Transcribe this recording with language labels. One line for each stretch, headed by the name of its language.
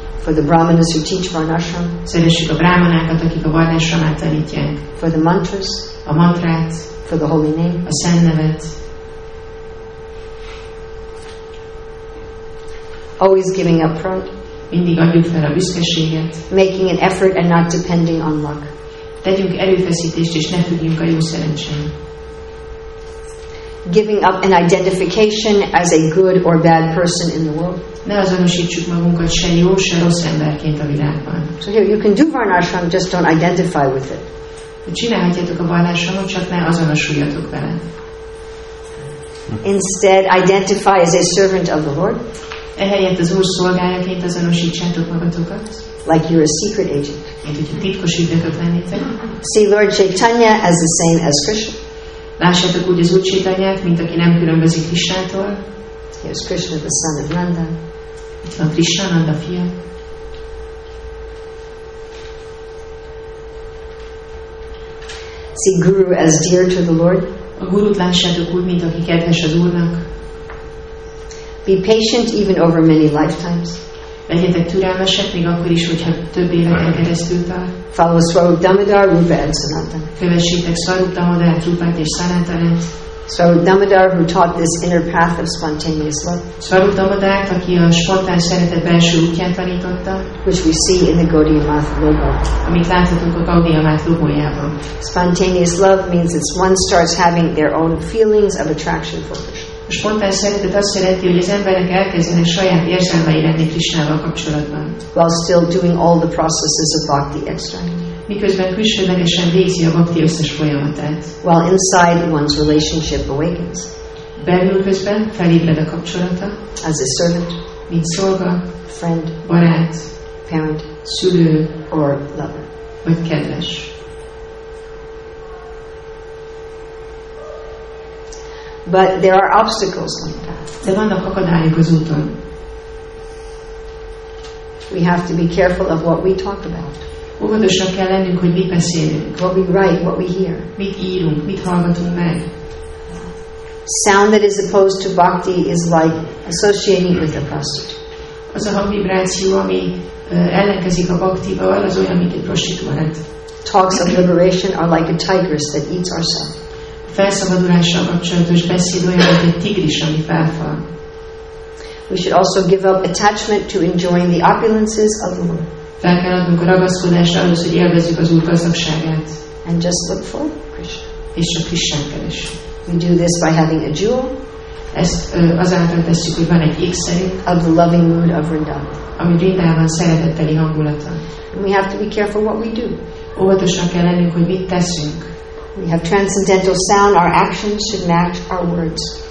English: for the brahmanas who teach varnashram,
Hungarian: szeressük a brahmanákat, akik a varnashramát tanítják,
English: for the mantras,
Hungarian: a mantrát,
English: for the holy name,
Hungarian: a szent nevet.
English: Always giving up pride,
Hungarian: mindig adjuk fel a büszkeséget,
English: making an effort and not depending on luck,
Hungarian: tegyünk erőfeszítést és ne függjünk a jó szerencsén.
English: Giving up an identification as a good or bad person in the world.
Hungarian: Ne azonosítsuk magunkat se jó, se rossz emberként a világban.
English: So here you can do varnashram, just don't identify with it.
Hungarian: Csinálhatjátok a varnashramot, csak ne azonosuljatok vele.
English: Instead, identify as a servant of the Lord.
Hungarian: Ehelyett az Úr szolgájaként azonosítsátok magatokat.
English: Like you're a secret agent.
Hungarian: Mint hogy titkos ügynököt lennétek.
English: See Lord Chaitanya as the same as Krishna.
Hungarian: Lássátok úgy az Úr Chaitanyát, mint aki nem különbözik Krisnától.
English: Here's Krishna, the son of Nanda.
Hungarian: Itt van Krishna, Nanda fia.
English: See Guru as dear to the Lord.
Hungarian: A gurut lássátok úgy, mint aki kedves az Úrnak.
English: Be patient even over many lifetimes.
Hungarian: Legyetek türelmesek, még akkor is, hogyha több éveken keresztül tart.
English: Follow Swarup Damodar, Rupa and Sanatan.
Hungarian: Kövessétek Swarup Damodar, Rupát és Sanatanet.
English: Swarup Damodar, who taught this inner path of spontaneous love.
Hungarian: Swarup Damodar, aki a spontán szeretet belső útján tanította.
English: Which we see in the Gaudiya Math logo.
Hungarian: Amit láthatunk a Gaudiya Math logójában.
English: Spontaneous love means it's one starts having their own feelings of attraction for Krishna.
Hungarian: A spontán szeretet azt jelenti, hogy az emberek elkezdenek saját érzelmei lenni Krisnával kapcsolatban.
English: While still doing all the processes of bhakti extract.
Hungarian: Miközben külsőlegesen végzi a bhakti összes folyamatát.
English: While inside one's relationship awakens.
Hungarian: Belül közben felébred a kapcsolata.
English: As a servant.
Hungarian: Mint szolga.
English: Friend.
Hungarian: Barát.
English: Parent.
Hungarian: Szülő.
English: Or lover.
Hungarian: Vagy kedves.
English: But there are obstacles on the path.
Hungarian: De vannak akadályok az úton.
English: We have to be careful of what we talk about.
Hungarian: Óvatosan kell lennünk, hogy mit beszélünk.
English: What we write, what we hear.
Hungarian: Mit írunk, mit hallgatunk meg.
English: Sound that is opposed to bhakti is like associating with a prostitute.
Hungarian: Az a hangvibráció, ami ellenkezik a bhaktival, az olyan, mint egy prostituált.
English: Talks of liberation are like a tigress that eats ourself.
Hungarian: Felszabadulással kapcsolatos beszéd olyan, mint egy tigris, ami felfal.
English: We should also give up attachment to enjoying the opulences of the world.
Hungarian: Fel kell adnunk a ragaszkodást ahhoz, hogy élvezzük az Úr gazdagságát.
English: And just look for Krishna.
Hungarian: És csak Krisztust keres.
English: We do this by having a jewel.
Hungarian: Ezt azáltal tesszük, hogy van egy ékszerünk.
English: Of the loving mood of Vrindavan.
Hungarian: Ami Vrindavan szeretetteli hangulata.
English: And we have to be careful what we do.
Hungarian: Óvatosan kell lennünk, hogy mit teszünk.
English: We have transcendental sound, our actions should match our words.